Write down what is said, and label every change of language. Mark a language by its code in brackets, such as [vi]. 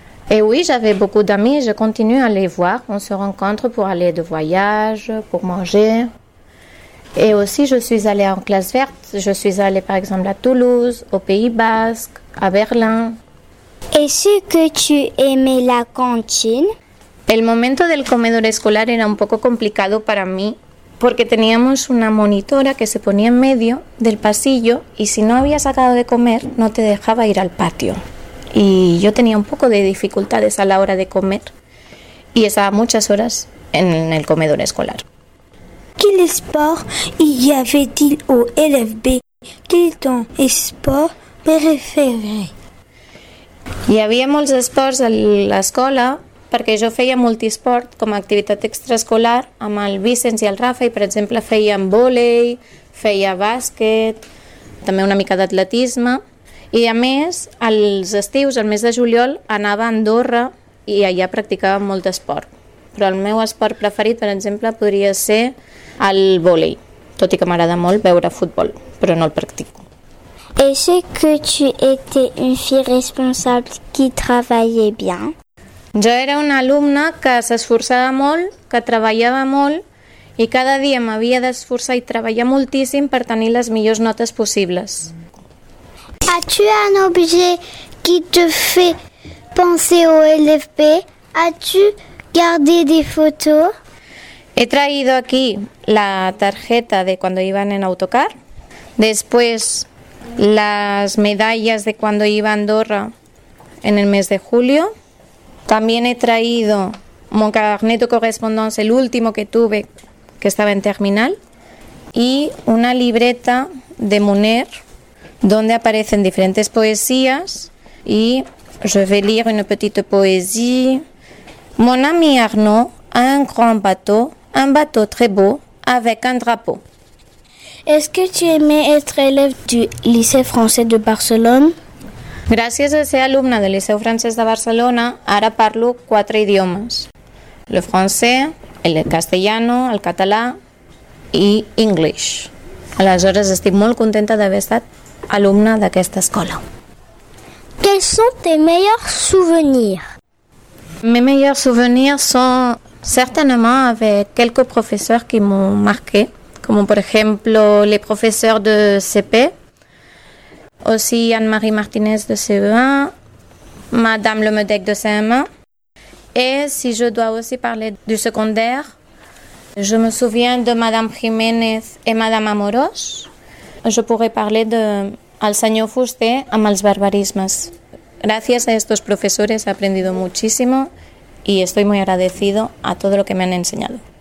[fr] Et oui, j'avais beaucoup d'amis et je continue à les voir. On se rencontre pour aller de voyage, pour manger. Et aussi, je suis allée en classe verte. Je suis allée par exemple à Toulouse, au Pays Basque, à Berlin. Est-ce que tu aimais la cantine ? [es] El momento del comedor escolar era un poco complicado para mí porque teníamos una monitora que se ponía en medio del pasillo y si no habías acabado de comer no te dejaba ir al patio. Y yo tenía un poco de dificultades a la hora de comer y estaba muchas horas en el comedor escolar. [fr] ¿Quel sport y avait-il au LFB? ¿Quel ton sport préféré? [es] Y había muchos sports en la escuela. [ca] Perquè jo feia multisport com a activitat extraescolar amb el Vicenç i el Rafa i, per exemple, feia vòlei, feia bàsquet, també una mica d'atletisme. I, a més, als estius, al mes de juliol, anava a Andorra i allà practicava molt esport. Però el meu esport preferit, per exemple, podria ser el vòlei, tot i que m'agrada molt veure futbol, però no el practico. [fr] Est-ce que tu étais une fille responsable qui travaillait bien? [ca] Jo era una alumna que s'esforçava molt, que treballava molt i cada dia m'havia d'esforçar i treballar moltíssim per tenir les millors notes possibles. [fr] As-tu un objet qui te fait penser au LFB? As-tu gardé des photos? [es] He traído aquí la tarjeta de cuando iban en autocar, después las medallas de cuando iba a Andorra en el mes de julio. También he traído [fr] mon carnet de correspondance, [es] el último que tuve, que estaba en terminal, y una libreta de Monet, donde aparecen diferentes poesías, y [fr] je vais lire une petite poésie. Mon ami Arnaud a un bateau très beau, avec un drapeau. Est-ce que tu aimais être élève du lycée français de Barcelone? [ca] Gràcies a ser alumna del Liceu Francès de Barcelona, ara parlo 4 idiomes. El francès, el castellano, el català i English. Aleshores, estic molt contenta d'haver estat alumna d'aquesta escola. [fr] Quels sont tes meilleurs souvenirs? Mes meilleurs souvenirs sont certainement avec quelques professeurs qui m'ont marqué, [ca] com per exemple [fr] les professeurs de CP, aussi Anne-Marie Martinez de CE1, Madame Lemedec de CM1. Et si je dois aussi parler du secondaire, Je me souviens de Madame Jiménez et Madame Amorós. Je pourrais parler de [ca] al senyor Fuster amb els barbarismes. [es] Gracias a estos profesores he aprendido muchísimo y estoy muy agradecido a todo lo que me han enseñado.